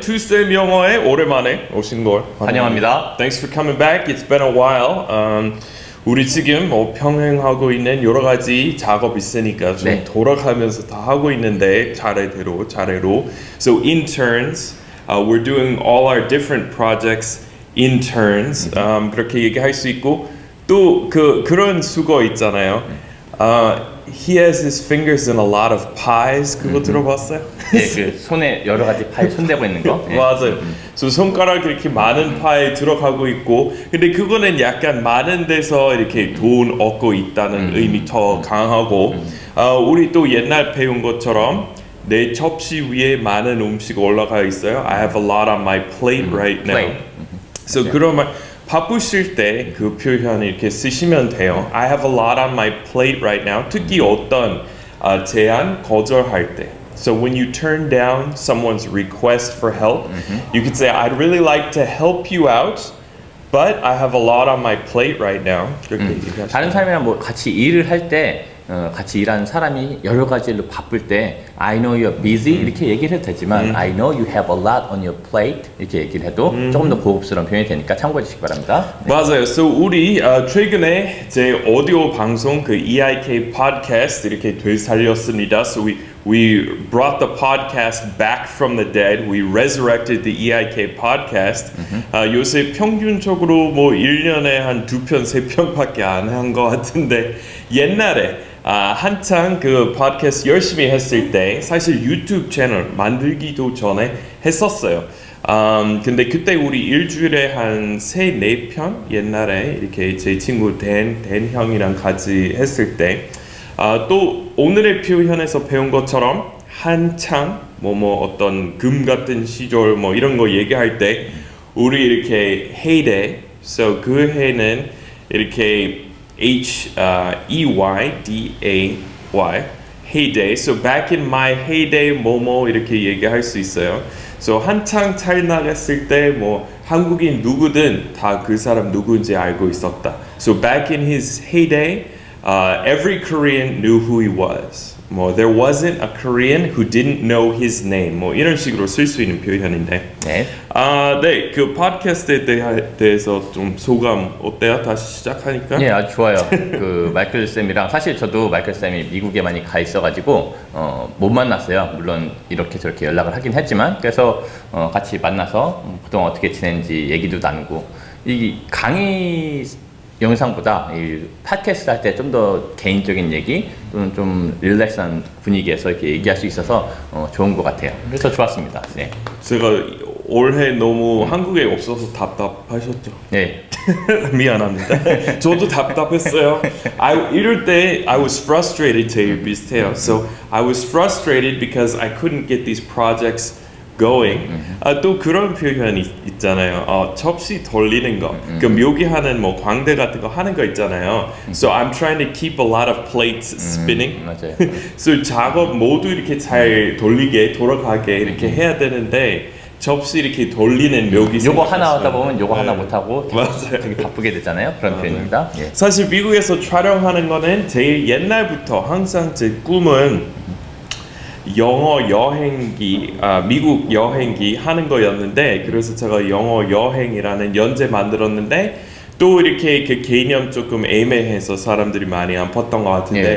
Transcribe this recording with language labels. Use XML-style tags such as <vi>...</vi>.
<ko>투쌤 영어에 오랜만에 오신 걸 환영합니다.</ko> <en>Thanks for coming back. It's been a while.</en> <ko>우리 지금 뭐 평행하고 있는 여러 가지 작업 있으니까 좀 네. 돌아가면서 다 하고 있는데 차례대로 차례로.</ko> <en>So interns, we're doing all our different projects.</en> <ko>Interns, 그렇게 얘기할 수 있고 또 그런 수거 있잖아요.</ko> <en>He has his fingers in a lot of pies.</en> <ko>그거 들어봤어요? 네, 그 손에 여러 가지 파에 손대고 있는 거. 네. 맞아요. So 손가락 이렇게 많은 파에 들어가고 있고, 근데 그거는 약간 많은 데서 이렇게 돈 얻고 있다는 의미 더 강하고, 우리 또 옛날 배운 것처럼 내 접시 위에 많은 음식 올라가 있어요.</ko> <en>I have a lot on my plate right now. Plate.</en> <ko>So 네. 그러면 바쁘실 때 그 표현 이렇게 쓰시면 돼요.</ko> <en>I have a lot on my plate right now.</en> <ko>특히 어떤 제안 거절할 때.</ko> <en>So when you turn down someone's request for help, you could say I'd really like to help you out, but I have a lot on my plate right now.</en> <ko>다른 사람이랑 뭐 같이 일을 할 때 같이 일하는 사람이 여러 가지로 바쁠 때</ko> <en>I know you're busy</en> <ko>이렇게 얘기를 해도 되지만</ko> <en>I know you have a lot on your plate</en> <ko>이렇게 얘기를 해도 조금 더 고급스러운 표현이 되니까 참고해 주시기 바랍니다. 네. 맞아요. So 우리 최근에 제 오디오 방송 그 EiK 팟캐스트 이렇게 되살렸습니다.</ko> <en>So we brought the podcast back from the dead. We resurrected the EiK podcast.</en> <ko>요새 평균적으로 뭐 1년에 한 두 편, 세 편밖에 안 한 것 같은데 옛날에 한창 그 팟캐스트 열심히 했을 때 사실 유튜브 채널 만들기도 전에 했었어요. 근데 그때 우리 일주일에 한 세, 네 편 옛날에 이렇게 제 친구 댄 형이랑 같이 했을 때 또 오늘의 표현에서 배운 것처럼 한창 뭐 어떤 금 같은 시절 뭐 이런 거 얘기할 때 우리 이렇게 heyday, so 그 해는 이렇게 H-E-Y-D-A-Y, heyday, so</ko> <en>back in my heyday</en> <ko>뭐 이렇게 얘기할 수 있어요. So 한창 잘 나갔을 때 뭐 한국인 누구든 다 그 사람 누구인지 알고 있었다.</ko> <en>So back in his heyday, every Korean knew who he was. 뭐 there wasn't a Korean who didn't know his name.</en> <ko>뭐 이런 식으로 쓸 수 있는 표현인데. 네. 네. 그 팟캐스트에 대해서 좀 소감 어때요? 다시 시작하니까. 네, 아주 좋아요. 그 마이클 쌤이랑 사실 저도 마이클 쌤이 미국에 많이 가 있어가지고 못 만났어요. 물론 이렇게 저렇게 연락을 하긴 했지만 그래서 같이 만나서 그동안 어떻게 지낸지 얘기도 나누고 이 강의. 영상보다 이 팟캐스트 할 때 좀 더 개인적인 얘기 또는 좀 릴렉스한 분위기에서 이렇게 얘기할 수 있어서 좋은 것 같아요. 그래서 좋았습니다. 네. 제가 올해 너무 한국에 없어서 답답하셨죠? 네. 미안합니다. 저도 답답했어요. 이럴 때</ko> <en>I was frustrated</en> <ko>제일 비슷해요.</ko> <en>So I was frustrated because I couldn't get these projects going.</en> <ko>또 그런 표현이 있잖아요. 접시 돌리는 거. 그 묘기하는 뭐 광대 같은 거 하는 거 있잖아요.</ko> <en>So I'm trying to keep a lot of plates spinning.</en> <ko>맞아요. So 작업 모두 이렇게 잘 돌리게 돌아가게 이렇게 해야 되는데 접시 이렇게 돌리는 묘기 요거 하나 하다 보면 요거 하나 못하고 되게 바쁘게 되잖아요. 그런 표현입니다. 예. 사실 미국에서 촬영하는 거는 제일 옛날부터 항상 제 꿈은 영어 여행기, 미국 여행기 하는 거였는데 그래서 제가 영어 여행이라는 연재 만들었는데 또 이렇게 그 개념 조금 애매해서 사람들이 많이 안 봤던 것 같은데</ko>